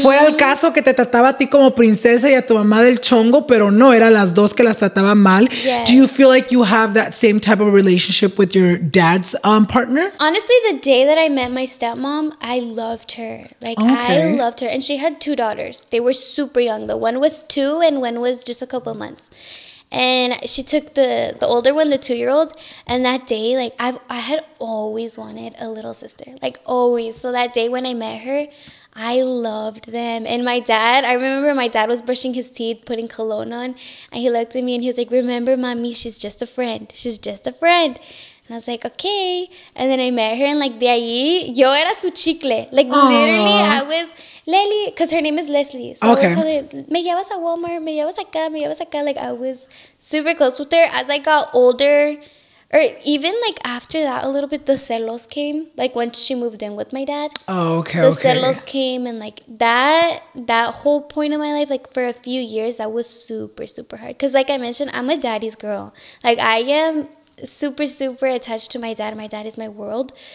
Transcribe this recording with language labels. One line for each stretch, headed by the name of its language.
Spanish: Fue al caso que te trataba a ti como princesa y a tu mamá del chongo, pero no, eran las dos que las trataba mal.
English: Yes. Do you feel like you have that same type of relationship with your dad's partner? Honestly, the day that I met my stepmom, I loved her. Like, okay. I loved her. And she had two daughters. They were super young. The one was 2 and one was just a couple months. And she took the older one, the 2-year-old. And that day, like, I had always wanted a little sister. Like, always. So that day when I met her, I loved them. And my dad, I remember my dad was brushing his teeth, putting cologne on. And he looked at me and he was like, remember, mommy, she's just a friend. She's just a friend. And I was like, okay. And then I met her. And, like,
Spanish: de ahí, yo era su chicle.
English: Like, aww. Literally, I was... Lely, because her name is Leslie. So okay.
Spanish: Her, me llevas a Walmart, me llevas acá, me llevas acá.
English: Like, I was super close with her. As I got older, or even, like, after that a little bit, the celos came. Like, once she moved in with my dad. Oh, okay, the okay. The celos came, and, like, that whole point of my life, like, for a few years, that was super, super hard. Because, like I mentioned, I'm a daddy's girl. Like, I am super, super attached to my dad. My dad is my world.